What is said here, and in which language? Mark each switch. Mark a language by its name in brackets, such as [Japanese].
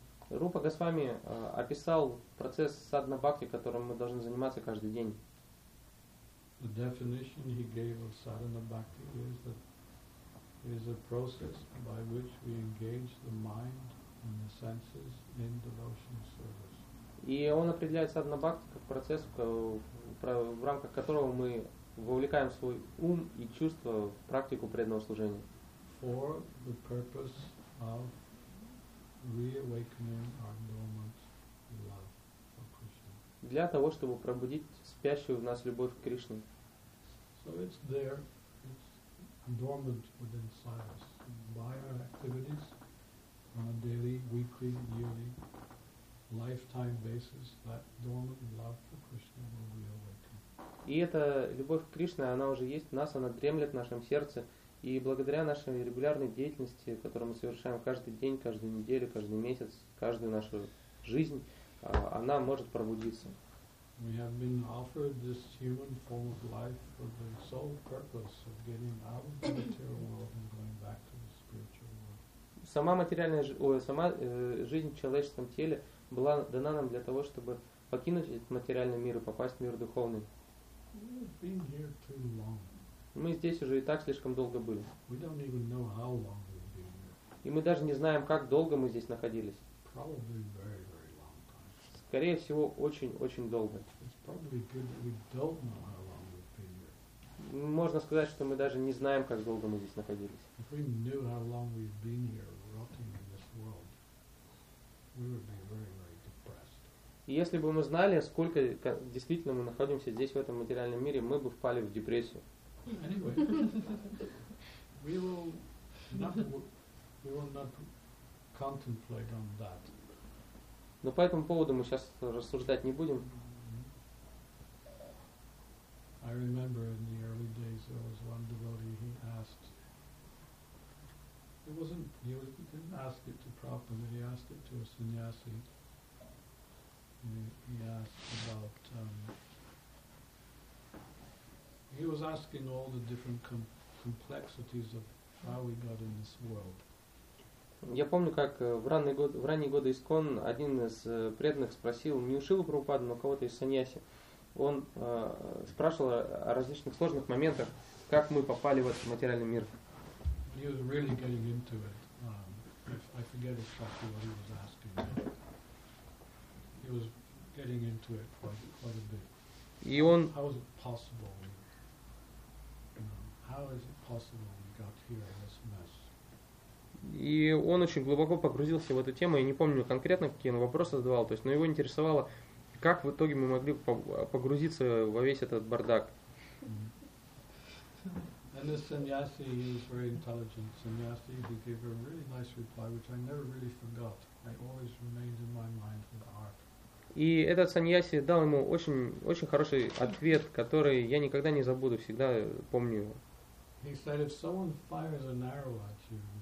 [Russian] Рупа Госвами описал процесс садхана-бхакти, которым мы должны заниматься каждый день. [English] The definition he gave of садхана-бхакти is a process by which we engage the mind and the senses in devotional service. [Russian] И он определяет садхана-бхакти как процесс, в рамках которого мы вовлекаем свой ум и чувства в практику преданного служения. [English] For the purpose of reawakening our dormant love for Krishna. [Russian] Для того, чтобы пробудить спящую в нас любовь к Кришне. [English] So it's there, it's dormant within us. By our activities on a daily, weekly, yearly, lifetime basis, that dormant love for Krishna will reawaken. [Russian] И эта любовь к Кришне, она уже есть в нас, она дремлет в нашем сердце. И благодаря нашей регулярной деятельности, которую мы совершаем каждый день, каждую неделю, каждый месяц, каждую нашу жизнь, она может пробудиться. [English] We have been offered this human form of life for the sole purpose of getting out of the material world and going back to the spiritual world. [Russian] Сама материальная жизнь в человеческом теле была дана нам для того, чтобы покинуть этот материальный мир и попасть в мир духовный. [English] We've been here too long. [Russian] Мы здесь уже и так слишком долго были. [English] We don't even know how long we've been here. [Russian] И мы даже не знаем, как долго мы здесь находились. [English] Probably very, very long time. [Russian] Скорее всего, очень-очень долго. [English] It's probably good that we don't know how long we've been here. [Russian] Можно сказать, что мы даже не знаем, как долго мы здесь находились. [English] If we knew how long we've been here, rotting in this world, we would be very, very depressed. [Russian] И если бы мы знали, сколько действительно мы находимся здесь, в этом материальном мире, мы бы впали в депрессию. [English] Anyway, we will not contemplate on that. [Russian] Но по этому поводу мы сейчас рассуждать не будем. [English] I remember in the early days there was one devotee. He asked. He didn't ask it to Prabhupada. He asked it to a sannyasi. He asked about. He was asking all the different complexities of how we got in this world. [Russian] Я помню, как в ранние годы Искон один из преданных спросил не у Шилы Прабхупады, но кого-то из саньяси. Он спрашивал о различных сложных моментах, как мы попали в этот материальный мир. [English] He was really getting into it. I forget exactly what he was asking. He was getting into it quite a bit. [Russian] И он. [English] How is it possible? How is it possible we got here in this mess? [Russian] И он очень глубоко погрузился в эту тему. Я не помню конкретно, какие он вопросы задавал. То есть, но его интересовало, как в итоге мы могли погрузиться во весь этот бардак. [English] And this sannyasi, he was very intelligent. Sannyasi, he gave a really nice reply, which I never really forgot. I always remained in my mind for the art. [Russian] И этот саньяси дал ему очень, очень хороший ответ, который я никогда не забуду, всегда помню его. [English] He said, if someone fires an arrow at you,